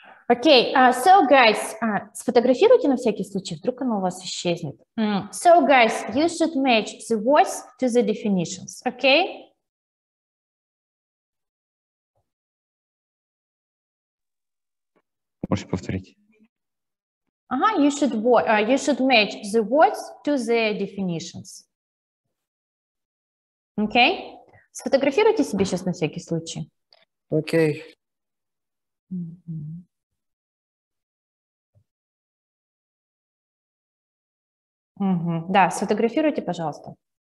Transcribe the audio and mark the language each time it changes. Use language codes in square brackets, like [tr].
[en] Okay, so guys, [ru] сфотографируйте на всякий случай, вдруг оно у вас исчезнет. [en] So guys, you should match the words to the definitions, okay? [ru] Можете повторить? [en] You should match the words to the definitions. Okay? [ru] Сфотографируйте себе сейчас на всякий случай. [en] Okay. [ru] Да, сфотографируйте, пожалуйста.